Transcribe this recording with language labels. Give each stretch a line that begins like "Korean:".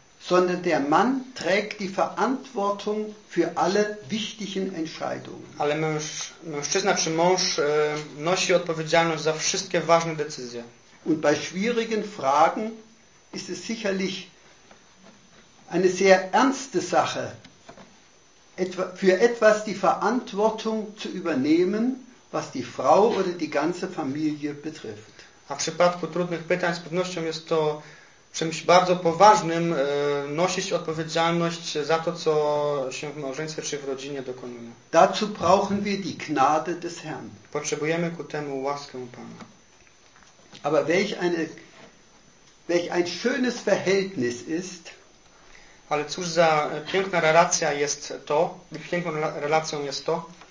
German: Sondern der Mann trägt die Verantwortung für alle wichtigen Entscheidungen.
Polish: Ale mężczyzna czy mąż nosi odpowiedzialność za wszystkie ważne decyzje.
German: Und bei schwierigen Fragen ist es sicherlich eine sehr ernste Sache, für etwas die Verantwortung zu übernehmen, was die Frau oder die ganze Familie betrifft.
Polish: A w przypadku trudnych pytań z pewnością jest to czymś bardzo poważnym nosić odpowiedzialność za to, co się w małżeństwie czy w rodzinie dokonuje.
German: Dazu brauchen wir die Gnade des Herrn.
Polish: Potrzebujemy ku temu łaskę Pana.
German: Aber welch ein schönes Verhältnis ist.
Polish: Ale cóż za piękna relacja jest to, piękną relacją jest to,